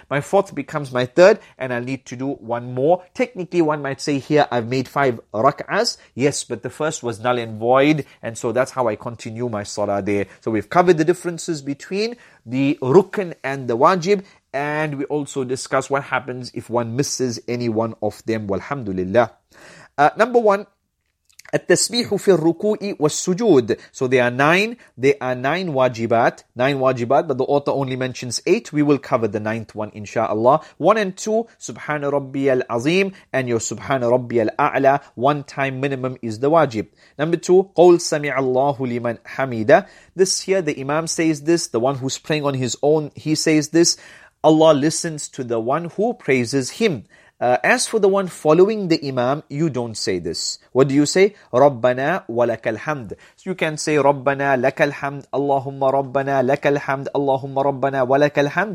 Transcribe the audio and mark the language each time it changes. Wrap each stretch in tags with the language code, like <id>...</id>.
<en>My fourth becomes my third. And I need to do one more. Technically, one might say here, I've made five rak'ahs. Yes, but the first was null and void. And so that's how I continue my salah there. So we've covered the differences between the rukn and the wajib. And we also discuss what happens if one misses any one of them. Walhamdulillah. Number one,</en> <ar>التسبيح في الركوع والسجود.</ar> <en>So there are nine. There are nine wajibat, but the author only mentions eight. We will cover the ninth one, inshallah. One and two,</en> <ar>سبحان ربي العظيم</ar> <en>and your</en> <ar>سبحان ربي الأعلى.</ar> <en>One time minimum is the wajib. Number two,</en> <ar>قول سمع الله لمن حميدة.</ar> <en>This here, the imam says this, the one who's praying on his own, he says this. Allah listens to the one who praises him. As for the one following the imam, you don't say this. What do you say?</en> <ar>Rabbana wa lakal hamd.</ar> <en>So you can say Rabbana lakal hamd, Allahumma Rabbana lakal hamd, Allahumma Rabbana wa lakal hamd.</en>